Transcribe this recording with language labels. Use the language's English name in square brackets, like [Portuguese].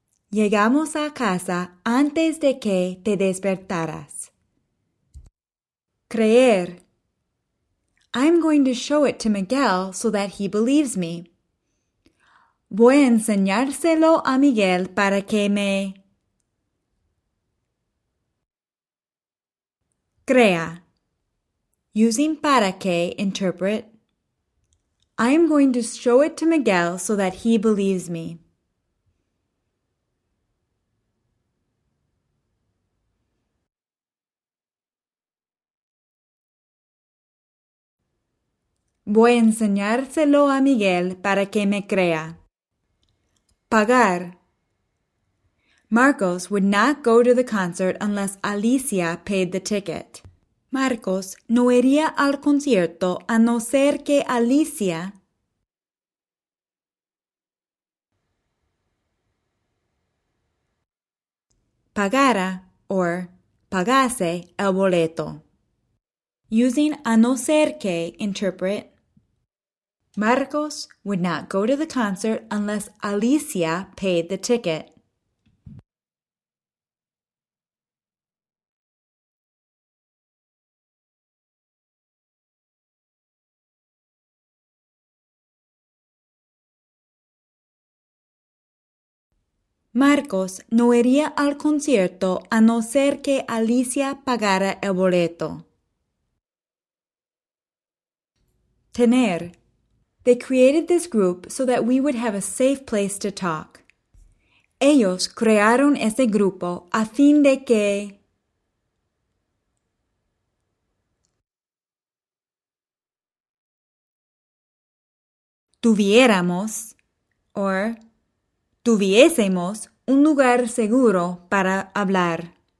[Spanish] Llegamos a casa antes de que te despertaras. Creer. [English] I'm going to show it to Miguel so that he believes me. [Spanish] Voy a enseñárselo a Miguel para que me crea. [English] Using [Spanish] para que, [English] interpret. I'm going to show it to Miguel so that he believes me. [Spanish] Voy a enseñárselo a Miguel para que me crea. Pagar. [English] Marcos would not go to the concert unless Alicia paid the ticket. [Spanish] Marcos no iría al concierto a no ser que Alicia... pagara or pagase el boleto. [English] Using [Spanish] a no ser que, [English] interpret, Marcos would not go to the concert unless Alicia paid the ticket. [Spanish] Marcos no iría al concierto a no ser que Alicia pagara el boleto. Tener. [English] They created this group so that we would have a safe place to talk. [Spanish] Ellos crearon ese grupo a fin de que... tuviéramos, or tuviésemos, un lugar seguro para hablar.